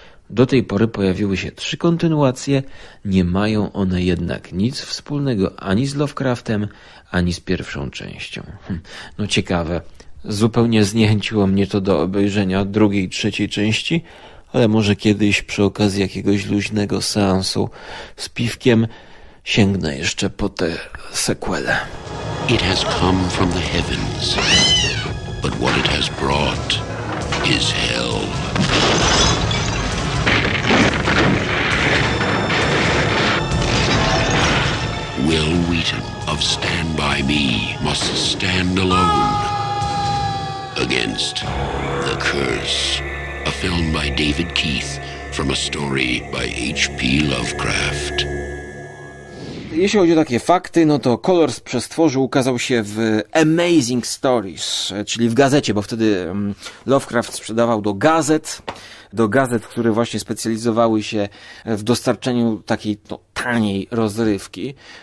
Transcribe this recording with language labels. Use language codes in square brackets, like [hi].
[pl] Do tej pory pojawiły się 3 kontynuacje, nie mają one jednak nic wspólnego ani z Lovecraftem, ani z pierwszą częścią. No ciekawe, zupełnie zniechęciło mnie to do obejrzenia drugiej, trzeciej części, ale może kiedyś przy okazji jakiegoś luźnego seansu z piwkiem sięgnę jeszcze po te sequele. [en] It has come from the heavens, but what it has brought is hell. Will Wheaton of Stand By Me must stand alone against The Curse, a film by David Keith from a story by H.P. Lovecraft. [pl] Jeśli chodzi o takie fakty, no to Kolor z przestworzy ukazał się w Amazing Stories, czyli w gazecie, bo wtedy Lovecraft sprzedawał do gazet, które właśnie specjalizowały się w dostarczeniu takiej taniej rozrywki.